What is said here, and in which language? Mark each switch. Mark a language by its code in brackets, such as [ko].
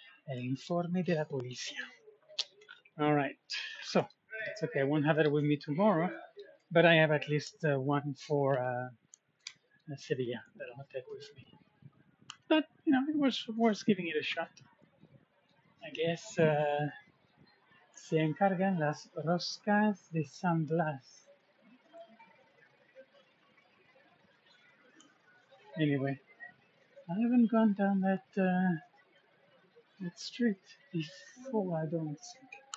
[es] El informe de la policía. [en] All right, so. It's okay, I won't have it with me tomorrow, but I have at least one for Sevilla that I'll take with me. But, you know, it was worth giving it a shot. I guess, [es] se encargan las roscas de San Blas. [en] Anyway, I haven't gone down that street before, I don't think.